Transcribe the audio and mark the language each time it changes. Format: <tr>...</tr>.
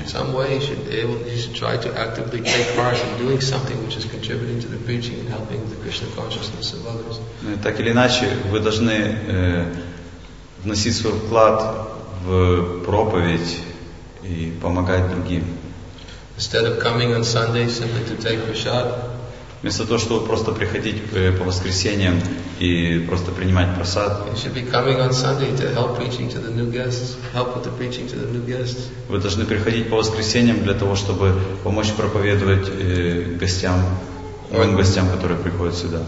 <en>In some way you should try to actively take part in doing something which is contributing to the preaching and helping the Krishna consciousness of others.</en> <ru>Так или иначе, вы должны вносить свой вклад в проповедь и помогать другим.</ru> <en>Instead of coming on Sunday simply to take prasad,</en> <ru>Вместо того, чтобы просто приходить по воскресеньям и просто принимать просад.</ru> <en>You should be coming on Sunday to help preaching to the new guests. Help with the preaching to the new guests.</en> <ru>Вы должны приходить по воскресеньям для того, чтобы помочь проповедовать гостям, новым гостям, которые приходят сюда.</ru>